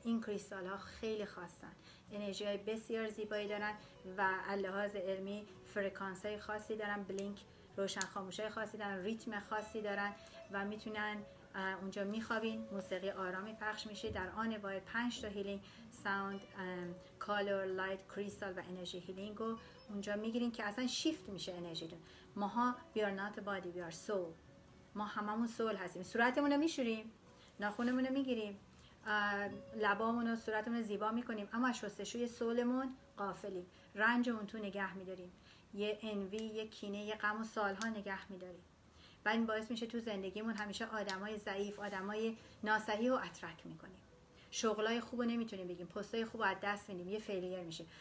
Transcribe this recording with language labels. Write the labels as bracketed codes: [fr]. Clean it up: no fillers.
[fa] این کریستال ها خیلی خاصن، انرژی های بسیار زیبایی دارن و اللحاظ علمی فرکانس های خاصی دارن، بلینک روشن خاموش های خاصی دارن، ریتم خاصی دارن و میتونن اونجا میخوابین، موسیقی آرامی پخش میشه، در آن واحد 5 تا هیلینگ ساوند، کالر، لایت، کریستال و انرژی هیلینگ رو اونجا میگیرین که اصلا شیفت میشه انرژیتون. ماها [en] we are not a body, we are soul. [fa] ما هممون soul هستیم. صورتمون رو میشوریم، ناخونمون رو میگیریم، لبامون و صورتمون رو زیبا میکنیم، اما از شستشوی soulمون غافلیم، رنجمون تو نگه میداریم، یه envy، یه کینه، یه غم و سالها نگه میداریم. و این باعث میشه تو زندگیمون همیشه آدمای ضعیف، آدمای ناصحیح رو اترک میکنیم، شغلای خوبو نمیتونیم بگیم، پستای خوبو از دست میدیم، یه فیلیر میشه.